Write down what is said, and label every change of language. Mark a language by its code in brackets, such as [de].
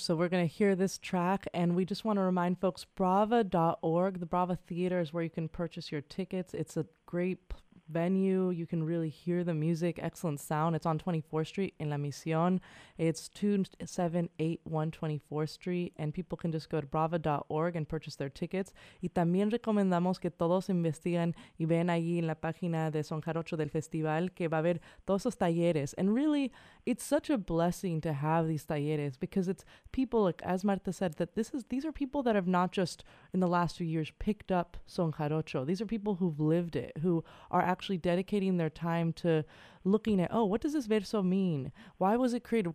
[en] So we're going to hear this track, and we just want to remind folks, brava.org, the Brava Theater is where you can purchase your tickets. It's a great venue. You can really hear the music, excellent sound. It's on 24th Street in La Misión. It's 2781 24th Street, and people can just go to brava.org and purchase their tickets. [es] Y también recomendamos que todos investiguen y ven allí en la página de Son Jarocho del Festival, que va a haber todos esos talleres. [en] And really, it's such a blessing to have these talleres, because it's people, like, as Marta said, that these are people that have not just in the last few years picked up Son Jarocho. These are people who've lived it, who are actually dedicating their time to looking at, oh, what does this verso mean? Why was it created?